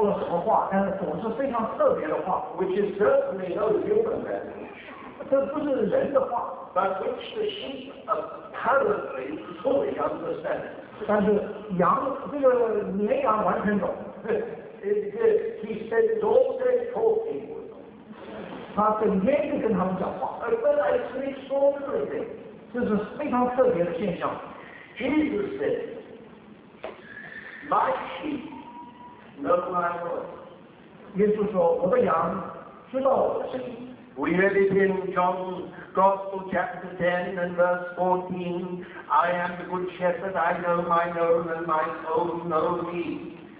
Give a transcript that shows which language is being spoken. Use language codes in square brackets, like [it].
[zh] 我不知道这个老人对这个羊说了什么话，但是总是非常特别的话。 [en] Which is certainly no human language. [zh] 这不是人的话。 [en] But which the sheep apparently fully understands. [zh] 但是羊，这个绵羊完全懂。 [en] He spends all day talking. [zh] 他整天就跟他们讲话。 [en] But it's an extraordinary thing. [zh] 这是非常特别的现象。 [en] Jesus said, My sheep know my voice. [zh] 耶稣说，我的羊知道我的声音。 [en] We read it in John Gospel chapter 10 and verse 14. I am the good shepherd, I know mine own, and my own know me.